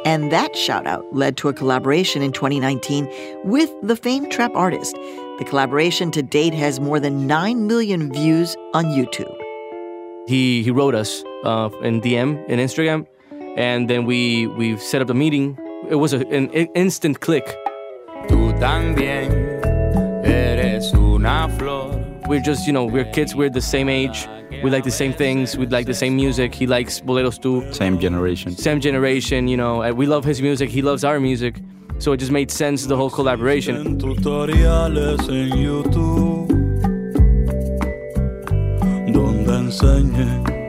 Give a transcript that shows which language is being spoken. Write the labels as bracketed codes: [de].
[en] That shout-out led to a collaboration in 2019 with the famed trap artist. The collaboration to date has more than 9 million views on YouTube. He wrote us in DM, in Instagram, and then we've set up a meeting. It was an instant click. [es] Tú también eres una flor. [en] We're just, you know, we're kids, we're the same age. We like the same things. We like the same music. He likes boleros too. Same generation, you know. We love his music. He loves our music. So it just made sense, the whole collaboration. [es] Tutoriales en YouTube, donde enseñe